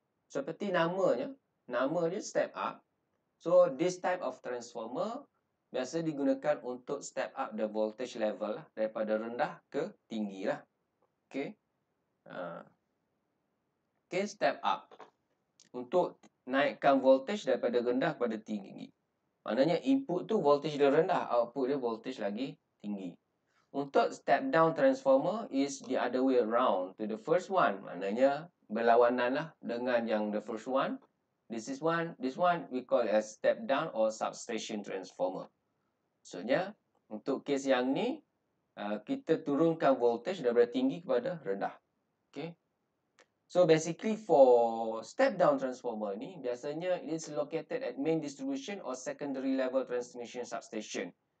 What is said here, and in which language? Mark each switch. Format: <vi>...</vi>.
<ms>Seperti namanya. Nama dia step up.</ms> <en>So, this type of transformer</en> <ms>biasa digunakan untuk step up</ms> <en>the voltage level</en> <ms>lah. Daripada rendah ke tinggi lah. Okay. Okay, step up. Untuk naikkan voltage daripada rendah kepada tinggi. Maknanya input tu voltage dia rendah, output dia voltage lagi tinggi.</ms> <en>Untuk step down transformer is the other way around to the first one.</en> <ms>Maknanya berlawanan lah dengan yang</ms> <en>the first one. This is one. This one we call as step down or substation transformer.</en> <ms>Maksudnya, untuk kes yang ni, kita turunkan voltage daripada tinggi kepada rendah. Okay.</ms> <en>So, basically for step-down transformer ni,</en> <ms>biasanya</ms> <en>it is located at main distribution or secondary level transmission substation.</en>